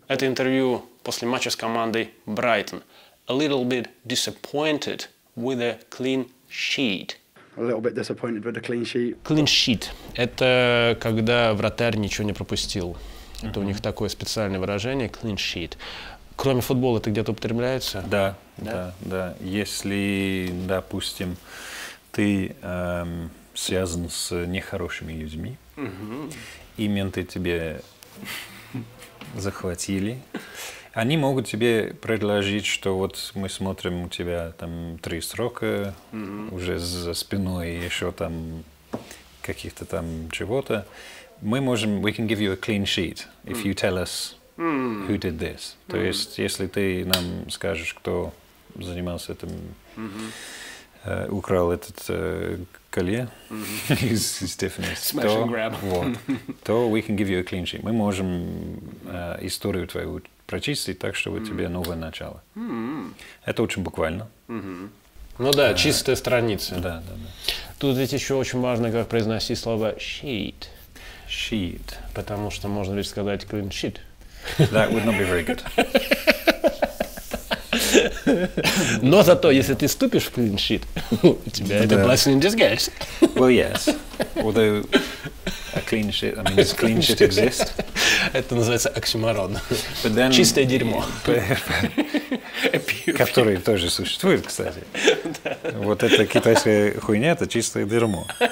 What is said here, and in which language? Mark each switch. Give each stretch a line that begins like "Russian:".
Russian: Это интервью после матча с командой Брайтон.
English: a little bit disappointed with a clean sheet. A little bit disappointed with a clean sheet. Clean sheet.
Russian: Это когда вратарь ничего не пропустил. Это у них такое специальное выражение, clean sheet. Кроме футбола, это где-то употребляется? Да, да, да, да. Если, допустим, ты связан с нехорошими людьми, и менты тебе захватили, они могут тебе предложить, что вот мы смотрим, у тебя там 3 срока уже за спиной, еще там каких-то там чего-то. Мы можем,
English: we can give you a clean sheet if you tell us who did this.
Russian: То есть, если ты нам скажешь, кто занимался этим, украл этот колье из Tiffany, то, вот, то
English: we can give you a clean sheet.
Russian: Мы можем историю твою прочистить так, чтобы тебе новое начало. Это очень буквально. Ну да, чистая страница. Да, да, да. Тут ведь еще очень важно, как произносить слово sheet. Sheet. Потому что можно ведь сказать clean sheet.
English: That would not be very good.
Russian: Но зато, если ты ступишь в clean sheet, у тебя это
English: blessing in disguise. Well, yes. Although a clean sheet, I mean, does clean sheet exist?
Russian: Это называется оксюморон. Чистое дерьмо. Который тоже существует, кстати. Вот эта китайская хуйня, это чистое дерьмо.